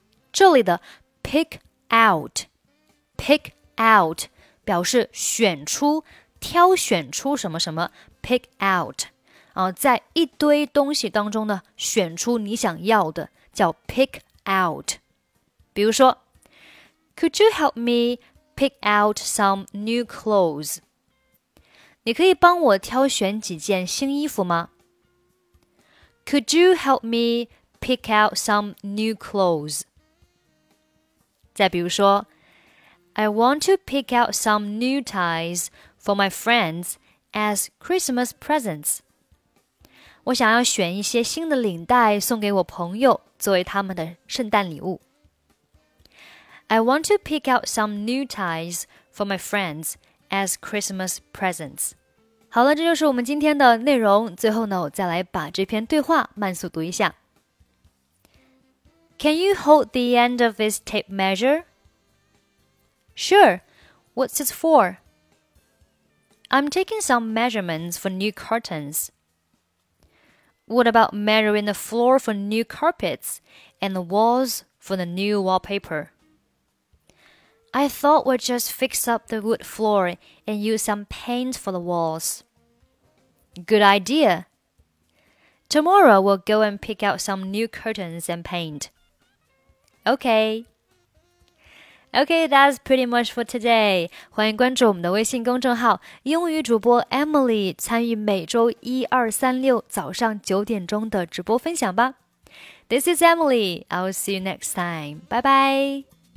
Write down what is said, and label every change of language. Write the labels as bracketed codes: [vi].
[zh] 这里的 [en] pick out [zh] 表示选出、挑选出什么什么 pick out、在一堆东西当中呢，选出你想要的叫 pick out。比如说 [en] Could you help me? Pick out some new clothes. [zh] 你可以帮我挑选几件新衣服吗? [en] Could you help me pick out some new clothes? [zh] 再比如说, [en] I want to pick out some new ties for my friends as Christmas presents. [zh] 我想要选一些新的领带送给我朋友作为他们的圣诞礼物。 [en] I want to pick out some new ties for my friends as Christmas presents. [zh] 好了，这就是我们今天的内容。最后呢，我再来把这篇对话慢速读一下。 [en] Can you hold the end of this tape measure? Sure. What's this for? I'm taking some measurements for new curtains. What about measuring the floor for new carpets and the walls for the new wallpaper. I thought we'd just fix up the wood floor and use some paint for the walls. Good idea. Tomorrow we'll go and pick out some new curtains and paint. Okay. Okay, that's pretty much for today. [zh] 欢迎关注我们的微信公众号英语主播 Emily 参与每周一二三六早上九点钟的直播分享吧。 [en] This is Emily. I'll see you next time. Bye bye.